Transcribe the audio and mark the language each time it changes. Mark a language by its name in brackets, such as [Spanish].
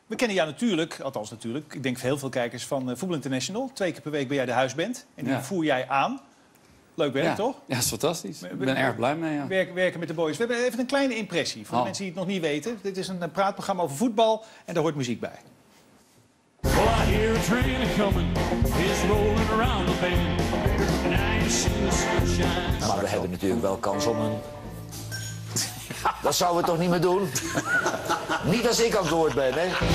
[Dutch] We kennen jou natuurlijk, althans natuurlijk, ik denk heel veel kijkers van Voetbal International. Twee keer per week ben jij de huisband en die voer jij aan. Leuk werk, toch? Ja, dat is fantastisch. Ik ben erg blij mee, ja. Werken met de boys. We hebben even een kleine impressie voor de mensen die het nog niet weten. Dit is een praatprogramma over voetbal en daar hoort muziek bij. [English] Well, I hear a train coming, it's rolling around the bend. And I ain't seen the sunshine. [Dutch] Maar we hebben natuurlijk wel kans om een... Dat zouden we toch niet meer doen? Niet als ik aan het woord ben, hè?